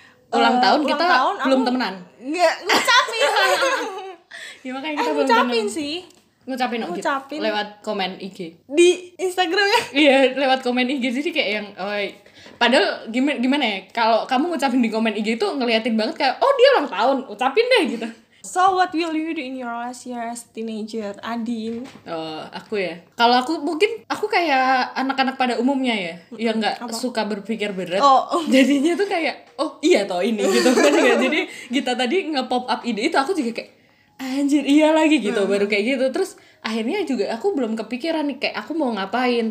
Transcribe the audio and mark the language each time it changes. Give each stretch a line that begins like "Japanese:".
Indonesian: ulang tahun kita belum temenan. Nggak, ngucapin. Ya makanya kita belum ngucapin sih. Ngucapin, ngucapin lewat komen IG. Di Instagram ya? Iya, lewat komen IG. Jadi kayak yang padahal gimana ya? Kalau kamu ngucapin di komen IG itu ngeliatin banget kayak, oh dia ulang tahun, ucapin deh gitu.
English: So what will you do in your last year as teenager, Adin?
Indonesian: Aku ya. Kalau aku mungkin aku kayak anak-anak pada umumnya ya, yang nggak suka berpikir berat. Oh. Jadinya tuh kayak, oh iya toh ini gitu kan ya. Jadi kita tadi nge-pop up ide itu aku juga kayak, anjir iya lagi gitu, baru kayak gitu. Terus akhirnya juga aku belum kepikiran nih kayak aku mau ngapain.